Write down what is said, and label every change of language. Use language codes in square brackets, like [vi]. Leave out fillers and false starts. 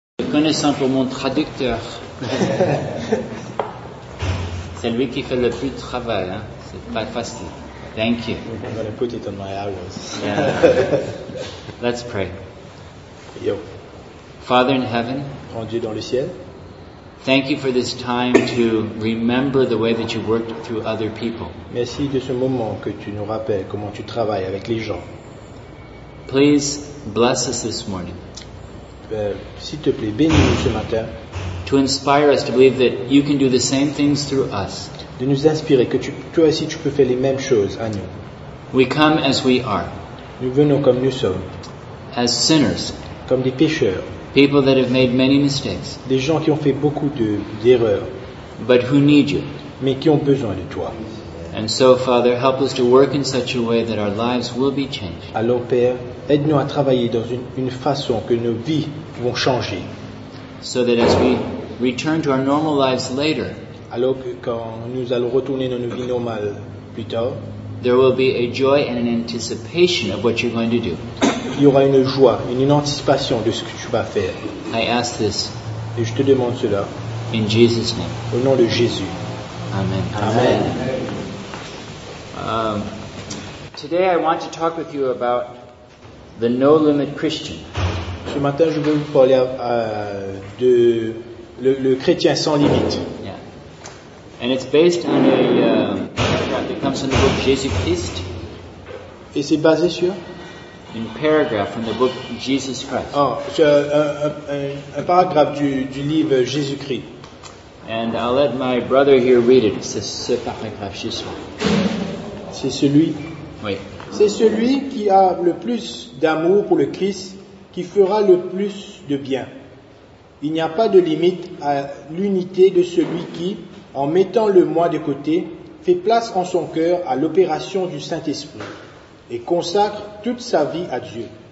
[fr] connais simplement traducteur. C'est lui qui fait le plus de travail, hein. C'est pas facile. [en] Thank you. I'm going to put it on my hours. Yeah. Let's pray. Yo. Father in heaven. [fr] Grand Dieu dans le ciel. [en] Thank you for this time to remember the way that you worked through other people. [fr] Merci de ce moment que tu nous rappelles comment tu travailles avec les gens. [en] Please bless us this morning. [fr] S'il te plaît, bénis-nous ce matin. [en] To inspire us to believe that you can do the same things through us. [fr] De nous inspirer que tu, toi aussi tu peux faire les mêmes choses à nous. [en] We come as we are. [fr] Nous venons comme nous sommes. [en] As sinners. [fr] Comme des pécheurs. [en] People that have made many mistakes. [fr] Des gens qui ont fait beaucoup de, d'erreurs. [en] But who need you. [fr] Mais qui ont besoin de toi. [en] And so, Father, help us to work in such a way that our lives will be changed. [fr] Alors, Père, aide-nous à travailler dans une façon que nos vies vont changer. [en] So that as we return to our normal lives later, [fr] alors que quand nous allons retourner dans nos vies normales plus tard, [en] there will be a joy and an anticipation of what you're going to do. [fr] Il y aura une joie, une anticipation de ce que tu vas faire. [en] I ask this. [fr] Et je te demande cela. [en] In Jesus' name. [fr] Au nom de Jésus. Amen. Amen. Amen. [en] Today I want to talk with you about the no limit Christian. [fr] Ce matin, je veux vous parler de le chrétien sans limite. [en] Yeah. And it's based on a paragraph. It comes from the book Jesus Christ. [fr] Et c'est basé sur? [en] In paragraph from the book Jesus Christ. [fr] Oh, c'est un paragraphe du livre Jésus Christ. [en] And I'll let my brother here read it. [fr] C'est ce paragraphe juste là. C'est celui, oui. C'est celui qui a le plus d'amour pour le Christ qui fera le plus de bien. Il n'y a pas de limite à l'unité de celui qui, en mettant le moi de côté, fait place en son cœur à l'opération du Saint-Esprit et consacre toute sa vie à Dieu.